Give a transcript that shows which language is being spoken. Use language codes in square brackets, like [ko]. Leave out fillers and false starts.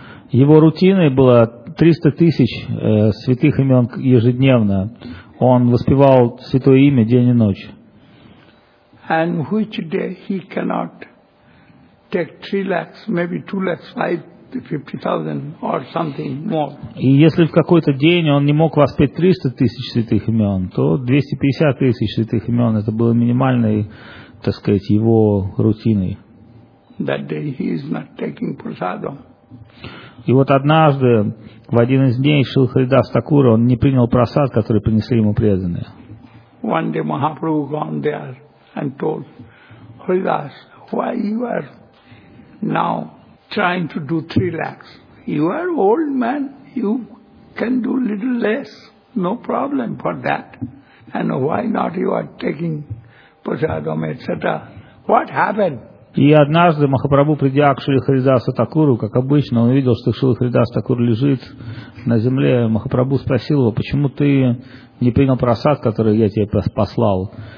[ru] Его рутиной было 300 тысяч святых имен ежедневно. Он воспевал святое имя день и ночь. [en] And which day he cannot take 3 lakhs, maybe 2 lakhs, 50,000 or something more. [ru] И если в какой-то день он не мог воспеть 300 тысяч святых имен, то 250 тысяч святых имен это было минимальной, так сказать, его рутиной. [en] That day he is not taking prasadam. [ru] И вот однажды, в один из дней, Шрила Харидас Такура, он не принял прасад, который принесли ему преданные. [en] One day Mahaprabhu gone there and told, Haridas, why you are now trying to do 3 lakhs? You are old man, you can do little less, no problem for that. And why not you are taking prasadam, etc.? What happened? [ru] И однажды Махапрабху, придя к Шри Харидасу Такуру, как обычно, он увидел, что Шри Харидас Такур лежит на земле. Махапрабху спросил его, почему ты не принял прасад, который я тебе послал?